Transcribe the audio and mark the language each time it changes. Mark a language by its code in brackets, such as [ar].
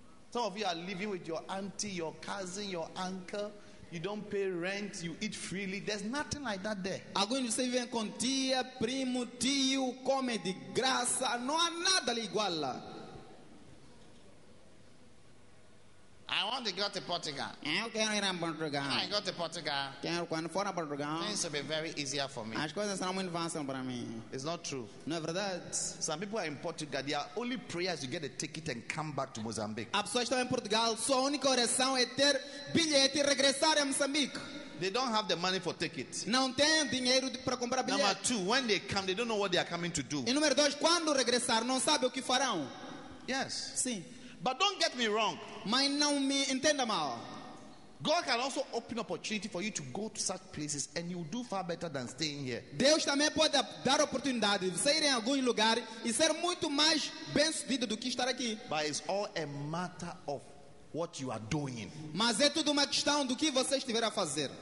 [en] Some of you are living with your auntie, your cousin, your uncle. You don't pay rent, you eat freely. There's nothing like that there. [pt] Alguns de vocês vivem com tia, primo, tio, come de graça. Não há nada ali igual lá. [en] I want to go to Portugal. [pt] Eu quero ir a Portugal. [en] I go to Portugal. [pt] Quero, quando for a Portugal. [en] Things will be very easier for me. [pt] As coisas serão muito fáceis para mim. [en] It's not true. [pt] Não é verdade. [en] Some people are in Portugal. Their only prayer is to get a ticket and come back to Mozambique. [pt] As pessoas estão em Portugal. Sua única oração é ter bilhete e regressar a Moçambique. [en] They don't have the money for tickets. [pt] Não tem dinheiro para comprar bilhete. [en] Number two, when they come, they don't know what they are coming to do. [pt] E número dois, quando regressar, não sabe o que farão. [en] Yes. [pt] Sim. [en] But don't get me wrong. [pt] Mas não me entenda mal. [en] God can also open opportunity for you to go to such places and you'll do far better than staying here. [pt] Deus também pode dar oportunidade de você ir em algum lugar e ser muito mais bem-sucedido do que estar aqui. [en] But it's all a matter of what you are doing. [pt] Mas é tudo uma questão do que você estiver a fazer.